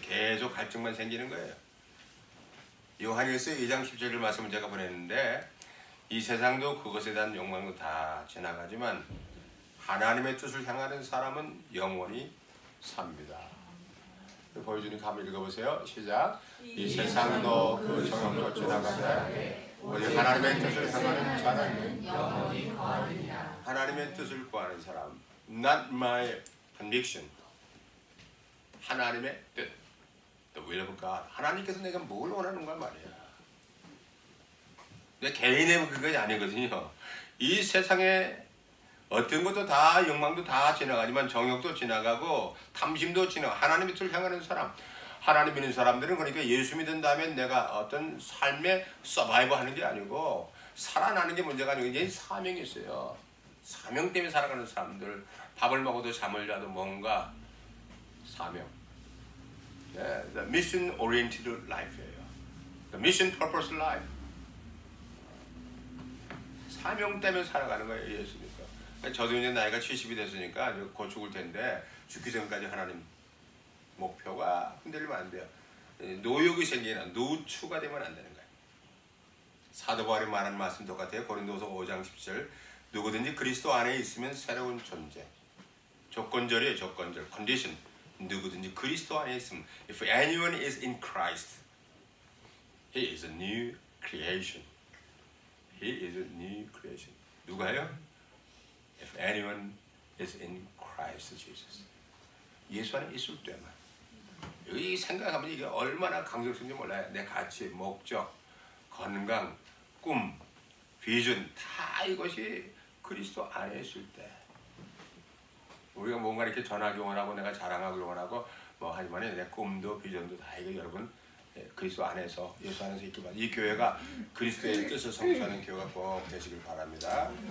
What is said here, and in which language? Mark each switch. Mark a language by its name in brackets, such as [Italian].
[Korean] 계속 갈증만 생기는 거예요. 요한일서 2장 17절 말씀을 제가 보냈는데 이 세상도 그것에 대한 욕망도 다 지나가지만 하나님의 뜻을 향하는 사람은 영원히 삽니다. 보여주는 감을 읽어보세요. 시작. 이 세상도 그 정도 지나가되 우리 하나님의 뜻을 향하는 자는 영원히 구하느니라. 하나님의 뜻을 구하는 사람, [English] not my conviction. [Korean] 하나님의 뜻, [English] the will of God. [Korean] 하나님께서 내가 뭘 원하는 걸 말이야. 내 개인의 그게 아니거든요. 이 세상에 어떤 것도 다 욕망도 다 지나가지만 정욕도 지나가고 탐심도 지나가. 하나님의 뜻을 향하는 사람. 하나님 믿는 사람들은 그러니까 예수 믿은 다음에 내가 어떤 삶에 서바이브 하는 게 아니고 살아나는 게 문제가 아니고 이제 사명이 있어요. 사명 때문에 살아가는 사람들. 밥을 먹어도 잠을 자도 뭔가 사명. [English] The mission oriented life예요. The mission purpose life. [Korean] 사명 때문에 살아가는 거예요. 예수니까. 저도 이제 나이가 70이 됐으니까 곧 죽을 텐데 죽기 전까지 하나님 목표가 흔들리면 안 돼요. 노욕이 생기나 노추가 되면 안 되는 거예요. 사도바울이 말한 말씀 똑같아요. 고린도서 5장 17절 누구든지 그리스도 안에 있으면 새로운 존재. 조건절이에요. 조건절. condition. 누구든지 그리스도 안에 있으면 [English] if anyone is in Christ he is a new creation. He is a new creation. [Korean] 누가요? [English] If anyone is in Christ Jesus. [Korean] 예수 안에 있을 때만 이 생각하면 이게 얼마나 강조적인지 몰라요. 내 가치, 목적, 건강, 꿈, 비전 다 이것이 그리스도 안에 있을 때 우리가 뭔가 이렇게 전하기 원하고 내가 자랑하기 원하고 뭐 하지만 내 꿈도 비전도 다 이거 여러분 그리스도 안에서 예수 안에서 있기 바랍니다. 이 교회가 그리스도의 뜻을 성취하는 교회가 꼭 되시길 바랍니다.